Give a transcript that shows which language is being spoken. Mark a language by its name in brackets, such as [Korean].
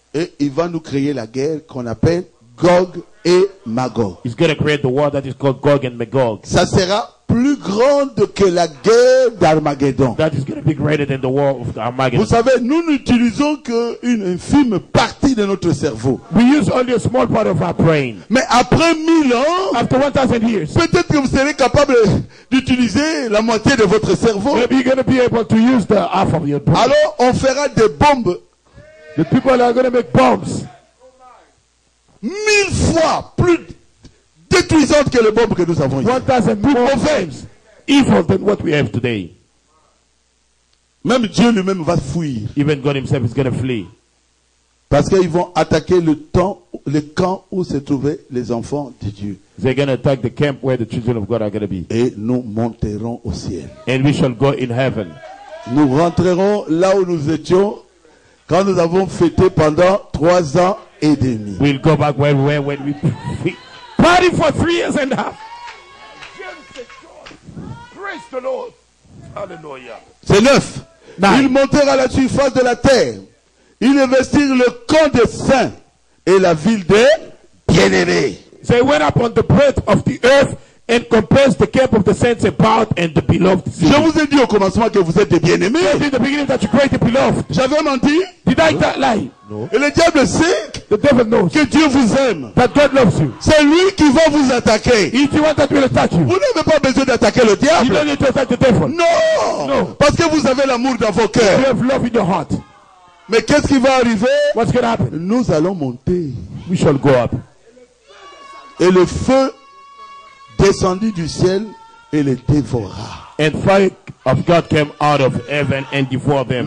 [French] Et il va nous créer la guerre qu'on appelle Gog et Magog. [English] He's going to create the war that is called Gog and Magog. [French] Ça sera plus grande que la guerre d'Armageddon. [English] That is going to be greater than the war of Armageddon. [French] Vous savez, nous n'utilisons qu'une infime partie de notre cerveau. [English] We use only a small part of our brain. [French] Mais après 1,000 ans, [English] after 1,000 years, [French] peut-être que vous serez capable d'utiliser la moitié de votre cerveau. [English] Maybe you're going to be able to use the half of your brain. [French] Alors, on fera des bombes. [English] The people are going to make bombs. [French] 1,000 fois plus détruisantes que les bombes que nous avons ici. [English] Bombs, evil than what we have today. [French] Même Dieu lui-même va fuir. [English] Even God himself is going to flee. [French] Parce qu'ils vont attaquer le camp où se trouvaient les enfants de Dieu. [English] They're going to attack the camp where the children of God are going to be. [French] Et nous monterons au ciel. [English] And we shall go in heaven. [French] Nous rentrerons là où nous étions. Quand nous avons fêté pendant 3 ans et demi. [English] We'll go back where we were when we party for 3 years and a half. Praise the Lord. Hallelujah. [French] C'est 9. Ils montèrent à la surface de la terre. Ils investirent le camp des saints et la ville des bien-aimés. [English] They went up on the breadth of the earth and compares the camp of the saints about and the beloved. City. [French] Je vous ai dit au commencement que vous êtes des bien-aimés. [English] In the beginning that you created the beloved. [French] J'avais menti. [English] Did I tell lie? No. [French] Et le diable sait. [English] The devil knows. [French] Que Dieu vous aime. [English] That God loves you. [French] C'est lui qui va vous attaquer. [English] He's the one that will attack you. [French] Vous n'avez pas besoin d'attaquer le diable. [English] You don't need to attack the devil. No. No. [French] Parce que vous avez l'amour dans vos cœurs. [English] You have love in your heart. [French] Mais qu'est-ce qui va arriver? [English] What's going to happen? [French] Nous allons monter. [English] We shall go up. [French] Et le feu descendu du ciel et les dévora. [English] And fire of God came out of heaven and devoured them.